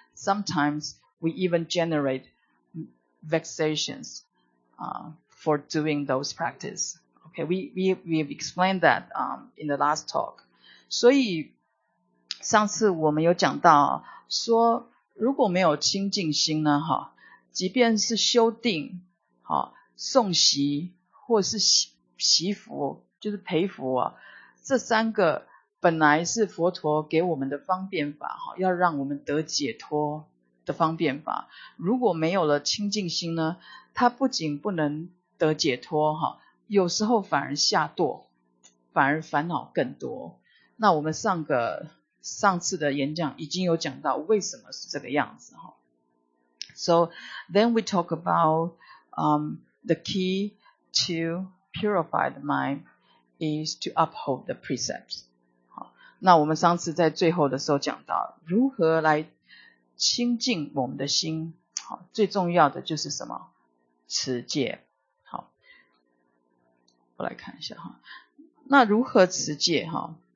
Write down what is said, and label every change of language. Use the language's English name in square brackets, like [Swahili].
[English] Sometimes we even generate vexations for doing those practice. Okay, we've explained that in the last talk. [Chinese] 所以上次我们有讲到说，如果没有清净心呢，即便是修定、诵习或是习福，就是培福啊，这三个本来是佛陀给我们的方便法，要让我们得解脱的方便法。如果没有了清净心呢，它不仅不能得解脱，有时候反而下堕，反而烦恼更多。那我们上次的演讲已经有讲到为什么是这个样子。 [English] So then we talk about the key to purify the mind is to uphold the precepts. [Chinese] 那我们上次在最后的时候讲到如何来清净我们的心，最重要的就是什么，持戒。我来看一下哈，那如何持戒哈？